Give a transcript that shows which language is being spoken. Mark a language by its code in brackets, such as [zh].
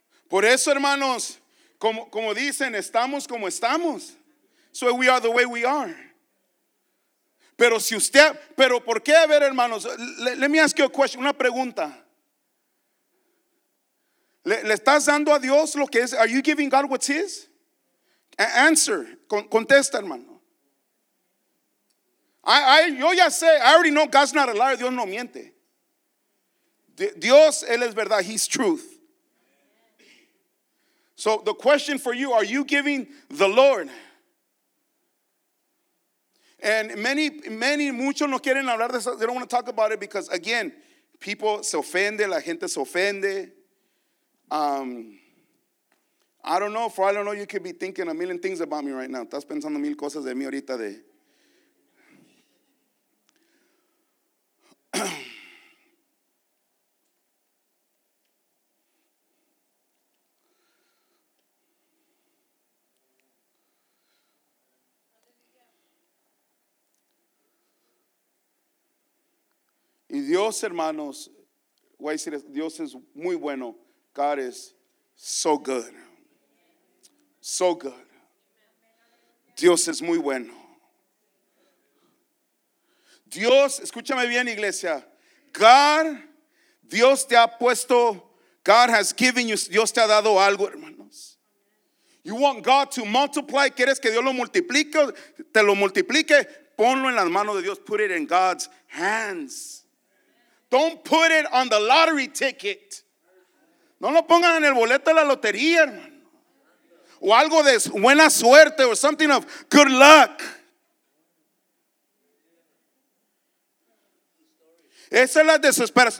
[es] Por eso, hermanos, como dicen, estamos como estamos. [en] So we are the way we are. [es] Pero si usted, pero por qué, a ver, hermanos, [en] let me ask you a question, [es] una pregunta. ¿Le estás dando a Dios lo que es? [en] Are you giving God what's his? Answer, [es] contesta, hermano. Yo ya sé, [en] I already know God's not a liar, [es] Dios no miente. Dios, él es verdad, [en] he's truth. So the question for you, are you giving the Lord? [es] And muchos no quieren hablar de eso. [en] They don't want to talk about it because, again, people [es] se ofende, la gente se ofende. [en] I don't know. For all I know, you could be thinking a million things about me right now. [es] Estás pensando mil cosas de mí ahorita. Y Dios, hermanos, voy a decir, Dios es muy bueno. [en] God is so good. So good. [es] Dios es muy bueno. Dios, escúchame bien, iglesia. God, Dios te ha puesto, [en] God has given you, [es] Dios te ha dado algo, hermanos. [en] You want God to multiply, [es] quieres que Dios lo multiplique, te lo multiplique, ponlo en las manos de Dios. [en] Put it in God's hands. Don't put it on the lottery ticket. [es] No lo pongan en el boleto de la lotería, hermano. O algo de buena suerte, [en] or something of good luck. [es] Esa es la desesperación.